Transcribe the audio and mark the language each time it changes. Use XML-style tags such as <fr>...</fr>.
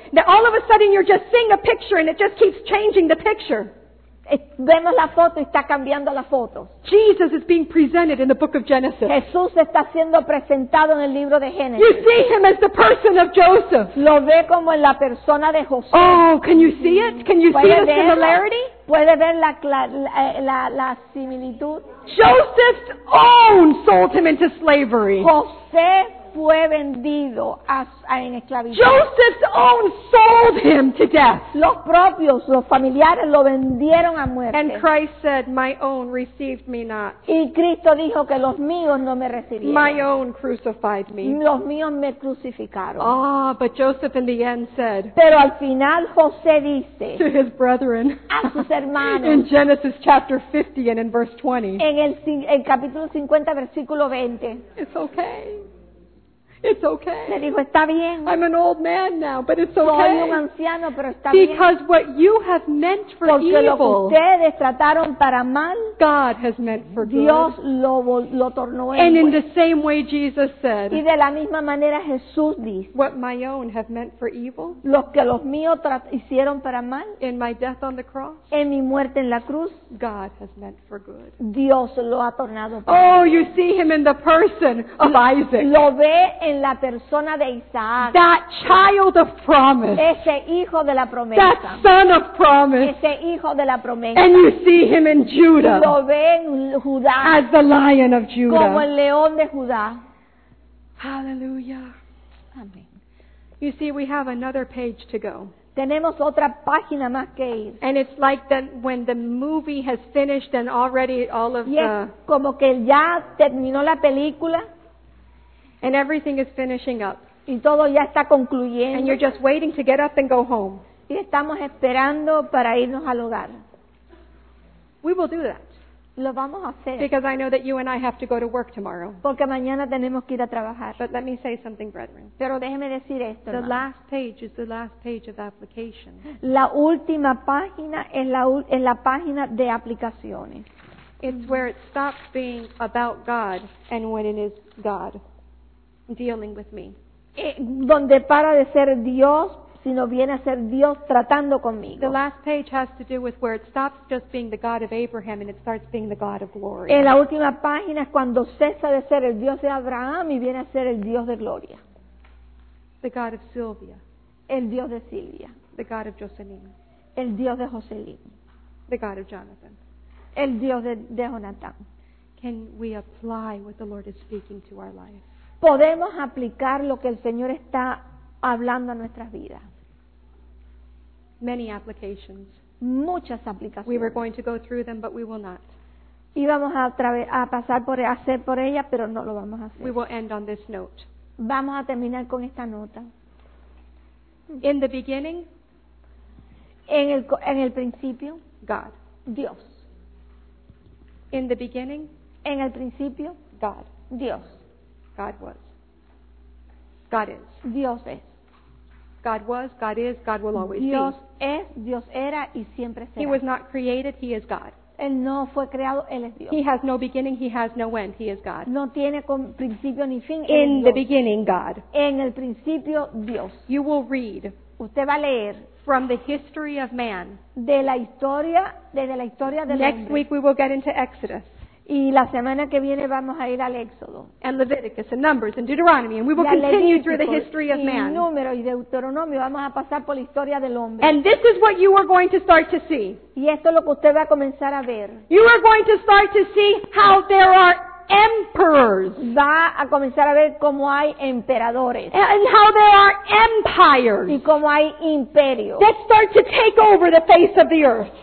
<en>Now all of a sudden you're just seeing a picture and it just keeps changing the picture.</en> <es>Vemos la foto y está cambiando la foto.</es> <en>Jesus is being presented in the book of Genesis.</en> <es>Jesús está siendo presentado en el libro de Génesis.</es> <en>You see him as the person of Joseph.</en> <es>Lo ve como en la persona de José.</es> <en>Oh, can you see it? Can you see the similarity?</en> <es>¿Puede ver la similitud?</es> <en>Joseph's own sold him into slavery.</en> <es>José fue vendido en esclavitud.</es> <en>Joseph's own sold him to death.</en> <es>Los propios, los familiares lo vendieron a muerte.</es> <en>And Christ said, my own received me not.</en> <es>Y Cristo dijo que los míos no me recibieron.</es> <en>My own crucified me.</en> <es>Los míos me crucificaron.</es> <en>Ah, but Joseph in the end said,</en> <es>pero al final José dice</es> <en>to his brethren,</en> <es>a sus hermanos,</es> <en>in Genesis chapter 50 and in verse 20,</en> <es>en el capítulo 50, versículo 20,</es> <en>it's okay. It's okay.</en> <es>Me dijo, está bien.</es> <en>I'm an old man now, but it's okay.</en> <es>Soy un anciano, pero está bien.</es> <en>Because what you have meant for</en> <es>porque</es> <en>evil,</en> <es>lo que ustedes trataron para mal,</es> <en>God has meant for</en> <es>Dios</es> <en>good.</en> <es>Lo tornó en</es> <en>and buen. In the same way Jesus said,</en> <es>y de la misma manera Jesús dice,</es> <en>what my own have meant for evil,</en> <es>lo que los míos hicieron para mal,</es> <en>in my death on the cross,</en> <es>en mi muerte en la cruz,</es> <en>God has meant for good.</en> <es>Dios lo ha tornado para oh, bien.</es> <en>You see him in the person of Isaac.</en> <es>Lo ve en la persona de Isaac.</es> <en>That child of promise.</en> <es>Ese hijo de la promesa.</es> <en>That son of promise.</en> <es>Ese hijo de la promesa.</es> <en>And you see him in Judah.</en> <es>Lo ve en Judá.</es> <en>As the lion of Judah.</en> <es>Como el león de Judá. Hallelujah. Amen.</es> <en>You see, we have another page to go.</en> <es>Tenemos otra página más que ir.</es> <en>And it's like the, when the movie has finished and already all of the...</en> <es>como que ya terminó la película.</es> <en>And everything is finishing up.</en> <es>Y todo ya está concluyendo.</es> <en>And you're just waiting to get up and go home.</en> <es>Y estamos esperando para irnos al hogar.</es> <en>We will do that.</en> <es>Lo vamos a hacer.</es> <en>Because I know that you and I have to go to work tomorrow.</en> <es>Porque mañana tenemos que ir a trabajar.</es> <en>But let me say something, brethren.</en> <es>Pero déjeme decir esto,</es> <en>the last page is the last page of application.</en> <es>La última página es la página de aplicaciones.</es> <en>It's where it stops being about God and when it is God dealing with me.</en> <es>Donde para de ser Dios, sino viene a ser Dios tratando conmigo.</es> <en>The last page has to do with where it stops just being the God of Abraham and it starts being the God of glory.</en> <es>En la última página es cuando cesa de ser el Dios de Abraham y viene a ser el Dios de gloria.</es> <en>The God of Sylvia.</en> <es>El Dios de Silvia.</es> <en>The God of Jocelyn.</en> <es>El Dios de Jocelyn.</es> <en>The God of Jonathan.</en> <es>El Dios de Jonathan.</es> <en>Can we apply what the Lord is speaking to our life?</en> <es>Podemos aplicar lo que el Señor está hablando a nuestras vidas.</es> <en>Many applications.</en> <es>Muchas aplicaciones.</es> <en>We were going to go through them, but we will not.</en> <es>Íbamos a pasar por ellas, pero no lo vamos a hacer.</es> <en>We will end on this note.</en> <es>Vamos a terminar con esta nota.</es> <en>In the beginning.</en> <es>En el principio.</es> <en>God.</en> <es>Dios.</es> <en>In the beginning.</en> <es>En el principio.</es> <en>God.</en> <es>Dios.</es> <en>God was. God is.</en> <es>Dios es.</es> <en>God was, God is, God will always be.</en> <es>Dios es, Dios era y siempre será.</es> <en>He was not created, he is God.</en> <es>Él no fue creado, él es Dios.</es> <en>He has no beginning, he has no end, he is God.</en> <es>No tiene principio ni fin, él es</es> <en>Dios. In the beginning, God.</en> <es>En el principio, Dios.</es> <en>You will read.</en> <es>Usted va a leer.</es> <en>From the history of man.</en> <es>De la historia, desde la historia del hombre.</es> <en>Next week we will get into Exodus.</en> <es>Y la semana que viene vamos a ir al Éxodo.</es> <en>And Leviticus and Numbers and Deuteronomy and we will continue through the history of man.</en> <es>Y Números y Deuteronomio vamos a pasar por la historia del hombre.</es> <en>And this is what you are going to start to see.</en> <es>Y esto es lo que usted va a comenzar a ver.</es> <en>You are going to start to see how there are emperors.</en> <es>Va a comenzar a ver cómo hay emperadores.</es> <en>And how there are empires.</en> <es>Y cómo hay imperios.</es> <en>That start to take over the face of the earth.</en>